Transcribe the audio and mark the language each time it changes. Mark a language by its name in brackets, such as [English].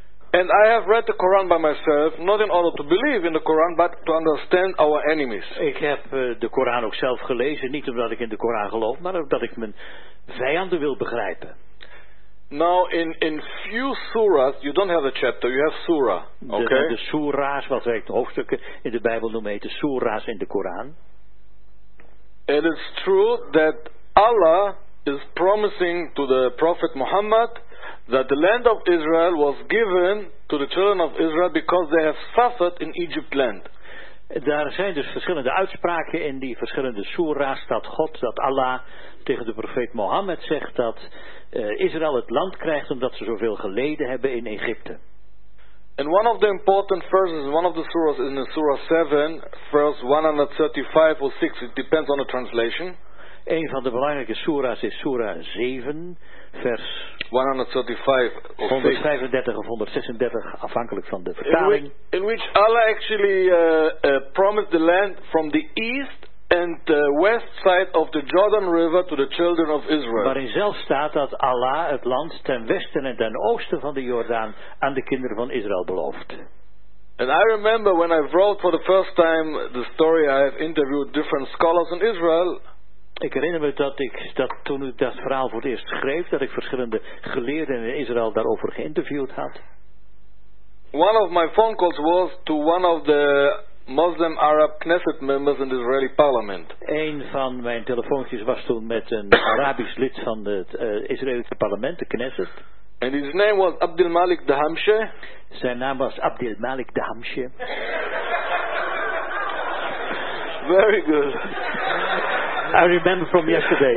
[English] And I have read the Koran by myself, not in order to believe in the Koran, but to understand our enemies. [Dutch] Ik heb de Koran ook zelf gelezen, niet omdat ik in de Koran geloof, maar omdat ik mijn vijanden wil begrijpen. [English] Now, in few surahs, you don't have a chapter, you have surah, okay? [Dutch] De surahs, wat wij de hoofdstukken in de Bijbel noemen, heet de surahs in de Koran. [English] It is true that Allah is promising to the Prophet Muhammad that the land of Israel was given to the children of Israel because they have suffered in Egypt land. [Dutch] Daar zijn dus verschillende uitspraken in die verschillende surahs dat God, dat Allah tegen de profeet Mohammed zegt dat Israël het land krijgt omdat ze zoveel geleden hebben in Egypte. [English] And one of the important verses, one of the surahs is in the surah 7, verse 135 or 6, it depends on the translation. [Dutch] Een van de belangrijke surahs is surah 7, vers 135 of 136, afhankelijk van de vertaling. [English] In which Allah actually promised the land from the east and the west side of the Jordan River to the children of Israel. [Dutch] Waarin zelf staat dat Allah het land ten westen en ten oosten van de Jordaan aan de kinderen van Israël belooft. [English] And I remember when I wrote for the first time the story, I have interviewed different scholars in Israel. [Dutch] Ik herinner me dat ik dat toen ik dat verhaal voor het eerst schreef, dat ik verschillende geleerden in Israël daarover geïnterviewd had. [English] One of my phone calls was to one of the Muslim Arab Knesset members in the Israeli parliament. [Dutch] Een van mijn telefoontjes was toen met een Arabisch lid van het Israëlische parlement, de Knesset. [English] And his name was Abdul Malik Dahamshe. [Dutch] Zijn naam was Abdul Malik Dahamshe. [English] Very good. I remember from yesterday.